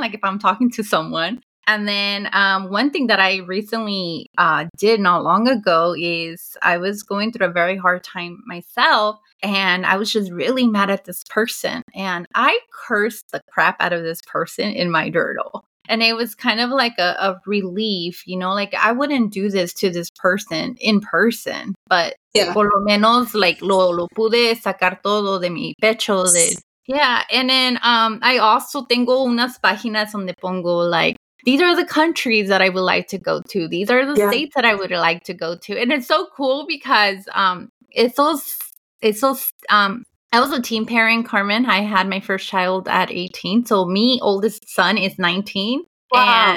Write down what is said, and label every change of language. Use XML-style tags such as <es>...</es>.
<en>Like if I'm talking to someone. And then one thing that I recently did not long ago is I was going through a very hard time myself. And I was just really mad at this person. And I cursed the crap out of this person in my journal. And it was kind of like a relief, you know, like I wouldn't do this to this person in person, but yeah.</en> <es>Por lo menos like lo pude sacar todo de mi pecho.</es> <en>Yeah. And then I also</en> <es>tengo unas páginas donde pongo</es> <en>like, these are the countries that I would like to go to. These are the states that I would like to go to. And it's so cool because I was a teen parent, Carmen. I had my first child at 18. So me, oldest son, is 19. Wow.</en>